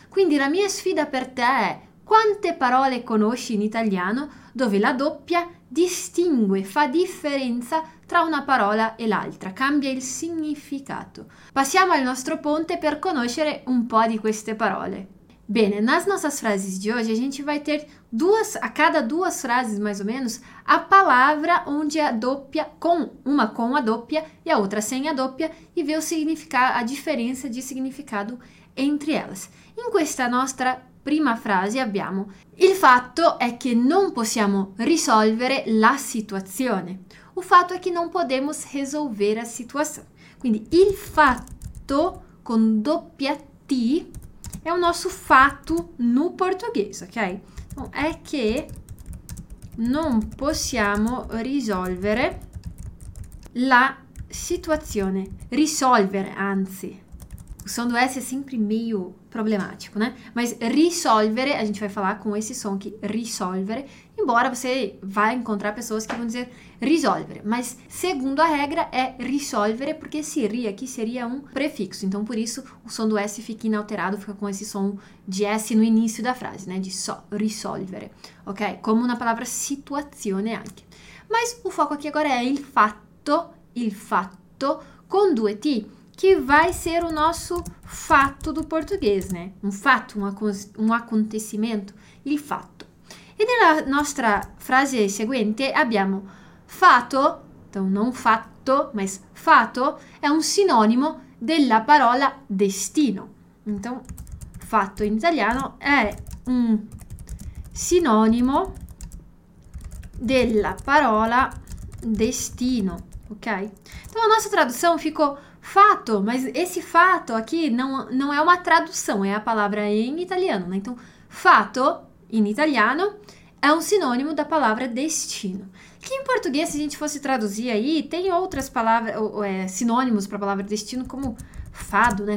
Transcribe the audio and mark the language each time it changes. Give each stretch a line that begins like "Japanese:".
Italian: Quindi la mia sfida per te è: quante parole conosci in italiano dove la doppia distingue, fa differenza tra una parola e l'altra, cambia il significato. Passiamo al nostro ponte per conoscere un po' di queste parole.
Portuguese: Bene, nas nossas frases de hoje a gente vai ter duas, a cada duas frases mais ou menos, a palavra onde a doppia com, uma com a doppia e a outra sem a doppia, e ver o significado, a diferença de significado entre elas.
Italian: In questa nostra prima frase abbiamo: il fatto è che non possiamo risolvere la situazione. O fatto è che non
Portuguese: podemos resolver a situação.
Italian: Quindi il fatto con doppia T è un
Portuguese: nosso fato no português,
Italian: ok? Então, è che non possiamo risolvere la situazione. Risolvere, anzi.
Portuguese: O som do S é sempre meio problemático, né? Mas risolvere, a gente vai falar com esse som aqui, risolvere. Embora você vá encontrar pessoas que vão dizer risolvere. Mas segundo a regra é risolvere, porque esse ri aqui seria um prefixo. Então por isso o som do S fica inalterado, fica com esse som de S no início da frase, né? De só, risolvere. Ok? Como na palavra situazione anche. Mas o foco aqui agora é il fatto com due T. Que vai ser o nosso fato do português, né? Um fato, um acontecimento, il fatto.
Italian: E nella nostra frase seguinte abbiamo fato,
Portuguese: então não fatto, mas fato é um sinônimo
Italian: della parola destino. Então, fatto in italiano è un sinonimo della parola destino, ok?
Portuguese: Então a nossa tradução ficou fato, mas esse fato aqui não é uma tradução, é a palavra em italiano, né? Então, fato em italiano é um sinônimo da palavra destino. Que em português, se a gente fosse traduzir aí, tem outras palavras, sinônimos para a palavra destino, como fado, né?